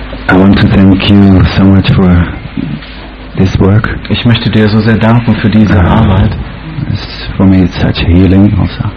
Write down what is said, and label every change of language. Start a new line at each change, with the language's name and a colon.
English: I want to thank you so much for this work.
German: Ich möchte dir so sehr danken für diese Arbeit.
English: It's for me it's such a healing also.